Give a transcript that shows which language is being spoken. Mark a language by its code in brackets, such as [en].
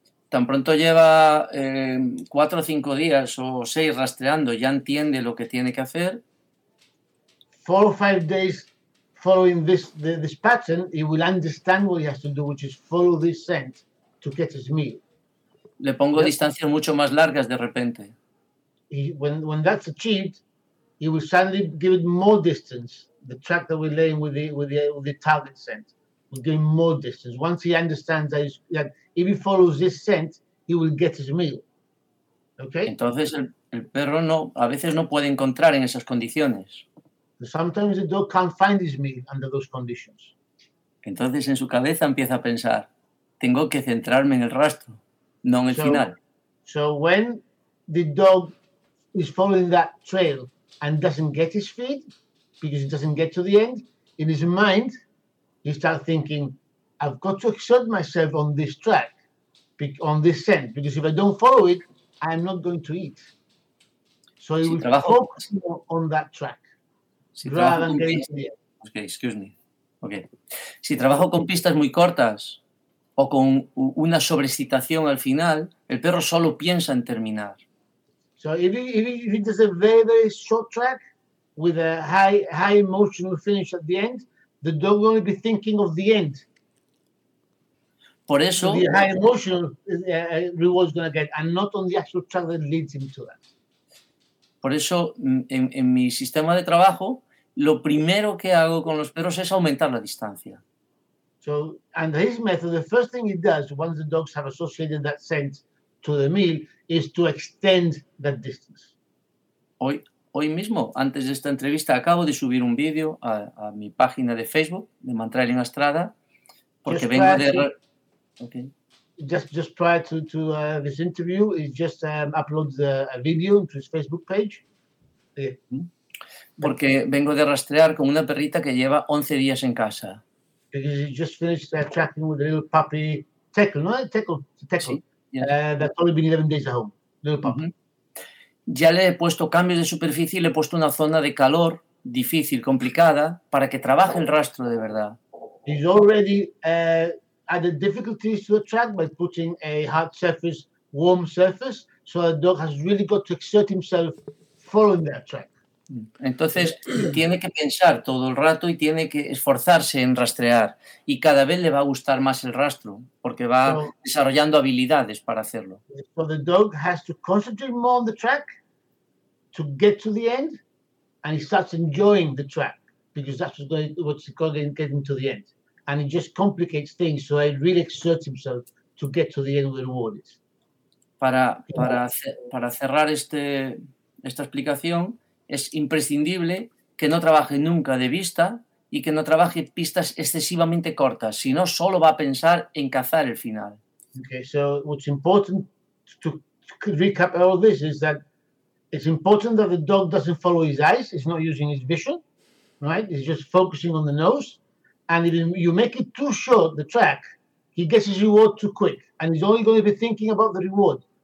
[es] Tan pronto lleva 4 o 5 días o 6 rastreando, ya entiende lo que tiene que hacer. [en] 4 or 5 days... Following this pattern, he will understand what he has to do, which is follow this scent to get his meal. [es] Le pongo distancias mucho más largas de repente. [en] when that's achieved, he will suddenly give it more distance. The track that we're laying with the target scent will give him more distance. Once he understands that if he follows this scent, he will get his meal. Okay. [es] Entonces el perro no a veces no puede encontrar en esas condiciones. [en] Sometimes the dog can't find his meal under those conditions. [es] Entonces en su cabeza empieza a pensar, tengo que centrarme en el rastro, no en el final. [en] So when the dog is following that trail and doesn't get his feed, because he doesn't get to the end, in his mind, he starts thinking, I've got to exert myself on this track, on this scent, because if I don't follow it, I'm not going to eat. So he will focus more on that track, rather than getting to the end. Okay, excuse me. Okay. [es] Si trabajo con pistas muy cortas o con una sobreexcitación al final, el perro solo piensa en terminar. [en] So if he does a very, very short track with a high emotional finish at the end, the dog will only be thinking of the end. [es] Por eso, [en] the high emotional reward is going to get, and not on the actual track that leads him to that. [es] Por eso, en mi sistema de trabajo, lo primero que hago con los perros es aumentar la distancia. [en] So, and his method, the first thing he does once the dogs have associated that scent to the meal is to extend that distance. [es] Hoy mismo, antes de esta entrevista, acabo de subir un vídeo a mi página de Facebook de Mantrailing Estrada, porque just vengo de. [en] Okay. Just prior to this interview, he just uploaded a video to his Facebook page. Yeah. [es] Porque vengo de rastrear con una perrita que lleva 11 días en casa. [en] Because he just finished tracking with a little puppy, Teckle, no? Teckle. [es] Sí, [en] That's only been 11 days at home, little puppy. Uh-huh. [es] Ya le he puesto cambios de superficie y le he puesto una zona de calor difícil, complicada, para que trabaje el rastro de verdad. [en] He's already added difficulties to the track by putting a hard surface, warm surface, so the dog has really got to exert himself following that track. [es] Entonces, tiene que pensar todo el rato y tiene que esforzarse en rastrear. Y cada vez le va a gustar más el rastro, porque va desarrollando habilidades para hacerlo. [en] So the dog has to concentrate more on the track to get to the end, and he starts enjoying the track, because that's what's going to get him to the end. And it just complicates things, so he really exerts himself to get to the end where the reward is. [es] Para cerrar esta explicación, es imprescindible que no trabaje nunca de vista y que no trabaje pistas excesivamente cortas, sino solo va a pensar en cazar el final. [en] Okay, so what's important to recap all this is that it's important that the dog doesn't follow his eyes, it's not using his vision, right? It's just focusing on the nose. And if you make it too short, the track, he gets his reward too quick and he's only going to be thinking about the reward.